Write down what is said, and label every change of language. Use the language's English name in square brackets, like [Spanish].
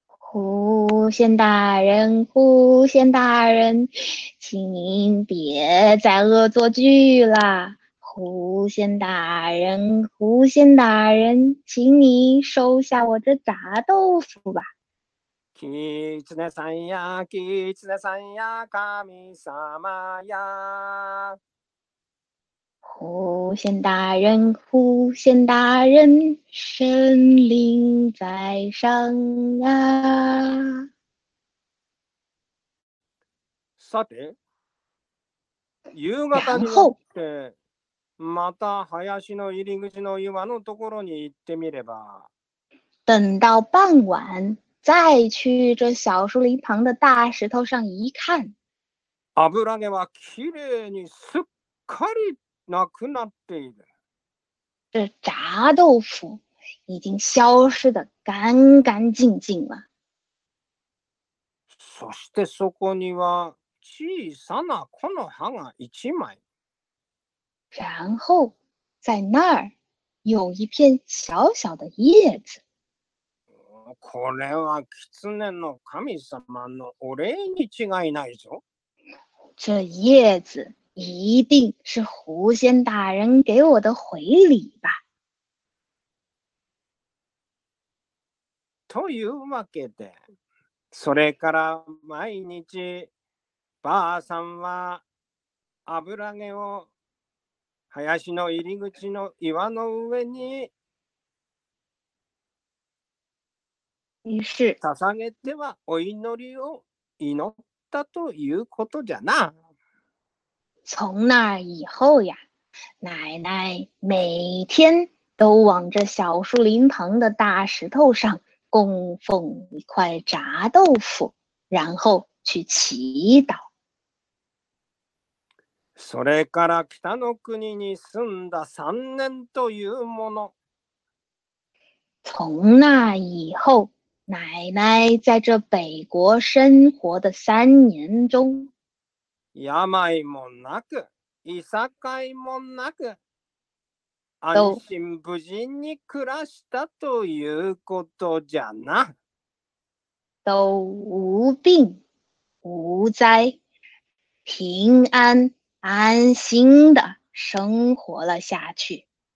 [Chinese] 狐仙大人，狐仙大人，请您别再恶作剧啦！狐仙大人，狐仙大人，请你收下我这炸豆腐吧。 [Japanese] 狐さんや、狐さんや、神様や。 [Chinese] 狐仙大人，狐仙大人，神灵在上啊！ [Japanese] さて、夕方になって、また林の入り口の岩のところに行ってみれば。 [Chinese] 等到傍晚，再去这小树林旁的大石头上一看， [Japanese] 油揚げはきれいにすっかり。なくなっている。 [Chinese] 这炸豆腐已经消失得干干净净了。 [Japanese] そしてそこには小さな木の葉が一枚。 [Chinese] 然后在那儿有一片小小的叶子。 [Japanese] これは狐の神様のお礼に違いないぞ。 [Chinese] 这叶子。一定是狐仙大人给我的回礼吧。 [Japanese] というわけで、それから毎日、ばあさんは油揚げを林の入り口の岩の上に捧げてはお祈りを祈ったということじゃな。 [Chinese] 从那以后呀，奶奶每天都往这小树林旁的大石头上供奉一块炸豆腐，然后去祈祷。 [Japanese] それから北の国に住んだ三年というもの。 [Chinese] 从那以后，奶奶在这北国生活的三年中， [Japanese] 病もなく、いさかいもなく、安心無事に暮らしたということじゃな。 [Chinese] 都无病、无灾、平安、安心的生活了下去。